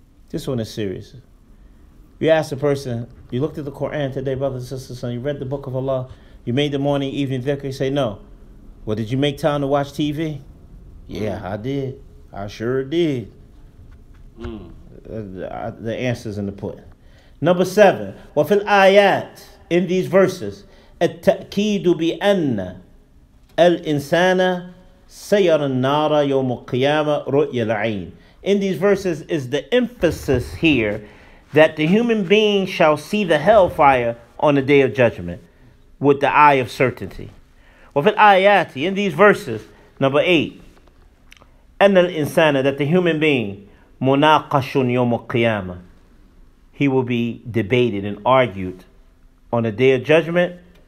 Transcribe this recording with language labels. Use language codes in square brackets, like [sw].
[en] This one is serious. You ask a person, you looked at the Quran today, brothers and sisters, son, you read the book of Allah, you made the morning, evening dhikr, you say, no. Well, did you make time to watch TV? Yeah, I did. I sure did. The answer's in the pudding. [ar] Number seven, وَفِي الْآيَاتِ, in these verses, التَأْكِيدُ بِأَنَّ الْإِنسَانَ سَيَرَ النَّارَ يَوْمُ الْقِيَامَةِ رُؤْيَ الْعَيْنِ. [en] In these verses is the emphasis here that the human being shall see the hellfire on the day of judgment with the eye of certainty. وَفِي الْآيَاتِ, in these verses, number eight, أَنَّ الْإِنسَانَ, that the human being, مُنَاقَشٌ يَوْمُ الْقِيَامَةِ, he will be debated and argued on the day of judgment.